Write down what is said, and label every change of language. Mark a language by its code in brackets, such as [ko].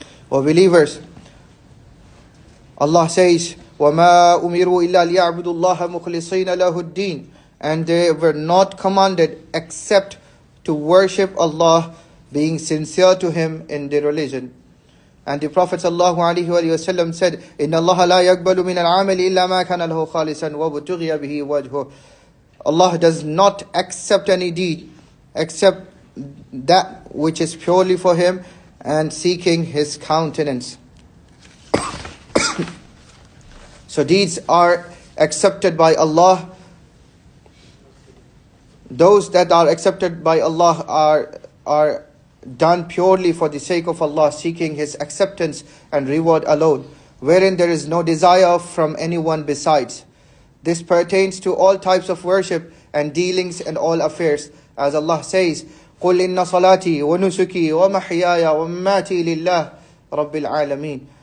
[en] O believers, Allah says, [ar] وَمَا أُمِرُوا إِلَّا لِيَعْبُدُوا اللَّهَ مُخْلِصِينَ لَهُ الدِّينَ, [en] and they were not commanded except to worship Allah, being sincere to him in the religion. And the Prophet sallallahu alayhi wa sallam said, [ar] إِنَّ اللَّهَ لَا يَقْبَلُ مِنَ الْعَامَلِ إِلَّا مَا كَانَ لَهُ خَالِصًا وَبُتُغِيَ بِهِ وَجْهُ. [en] Allah does not accept any deed except that which is purely for him and seeking his countenance. So deeds are accepted by Allah. Those that are accepted by Allah are done purely for the sake of Allah, seeking his acceptance and reward alone, wherein there is no desire from anyone besides. This pertains to all types of worship and dealings and all affairs. As Allah says, [ar] قُلْ إِنَّ صَلَاتِي وَنُسُكِي وَمَحْيَايَ وَمَمَاتِي لِلَّهِ رَبِّ الْعَالَمِينَ.